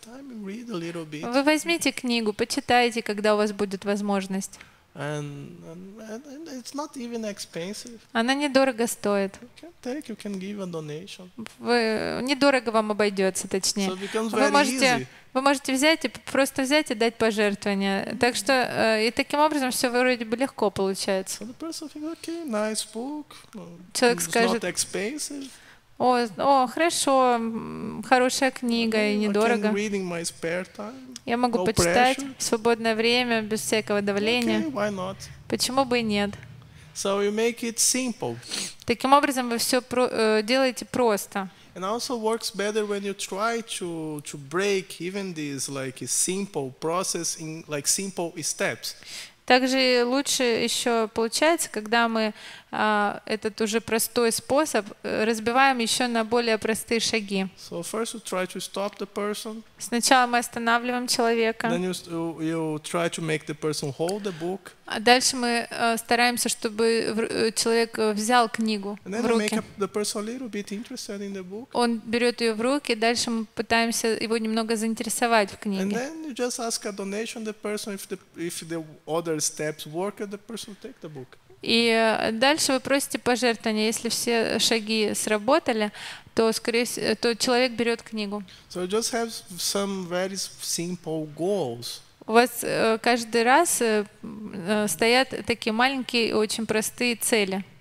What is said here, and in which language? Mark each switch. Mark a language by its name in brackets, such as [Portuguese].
[Russian] Вы возьмите книгу, почитайте, когда у вас будет возможность. [English] And it's not even expensive. [Russian] Она недорого стоит. [English] You can take, you can give a donation. [Russian] Недорого вам обойдется, точнее. [English] So it becomes very easy. [Russian] Вы можете взять и просто взять и дать пожертвование. Так что и таким образом все вроде бы легко получается. [English] So the person thinks, okay, nice book. [Russian] Человек [English] it's [Russian] скажет, о, хорошо, хорошая книга [English] okay, [Russian] и недорого. [English] In my spare time. [Russian] Я могу [English] no [Russian] почитать [English] pressure. [Russian] В свободное время, без всякого давления. [English] Okay, why not? [Russian] Почему бы и нет? [English] So you make it simple. [Russian] Таким образом вы все делаете просто. [English] And also works better when you try to break even this like simple process in like simple steps. [Russian] Также лучше еще получается, когда мы этот уже простой способ разбиваем еще на более простые шаги. [English] So first you try to stop the person. [Russian] Сначала мы останавливаем человека. [English] Then you try to make the person hold the book. [Russian] А дальше мы стараемся, чтобы человек взял книгу [English] and then [Russian] в руки. [English] Make the person a little bit interested in the book. [Russian] Он берет ее в руки, дальше мы пытаемся его немного заинтересовать в книге. [English] And then you just ask a donation the person if the other steps work, the person take the book. [Russian] И дальше вы просите пожертвования. Если все шаги сработали, то, скорее всего, то человек берет книгу. [English] So just have some very simple goals. [Russian] У вас каждый раз стоят такие маленькие и очень простые цели.